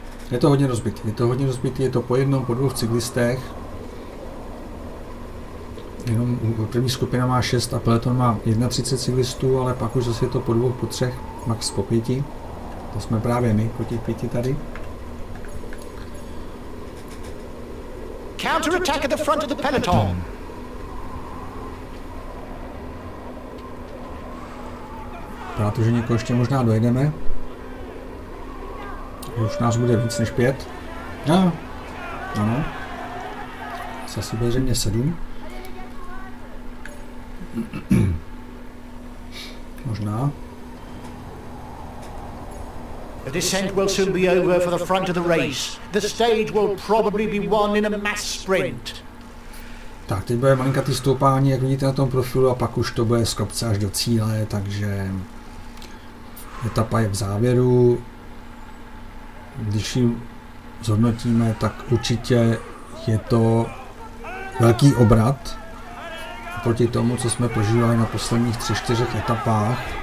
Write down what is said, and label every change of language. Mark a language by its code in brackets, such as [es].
[cs] Je to hodně rozbitý, je to po jednom, po dvou cyklistech. jenom první skupina má 6 a peloton má 31 cyklistů, ale pak už zase je to po dvou, po třech, max po pěti. To jsme právě my, po těch pěti tady. [en] Counterattack at the front of the peloton. [cs] Právě to, že někoho ještě možná dojedeme. Už nás bude víc než 5. No, ano. Zase bude zřejmě 7. Možná. [en] The descent will soon be over for the front of the race. The stage will probably be won in a mass sprint. [cs] Tak, teď bude malinkatý stoupání, jak vidíte na tom profilu, a pak už to bude z kopce až do cíle, takže etapa je v závěru. Když ji zhodnotíme, tak určitě je to velký obrat proti tomu, co jsme prožívali na posledních 3-4 etapách.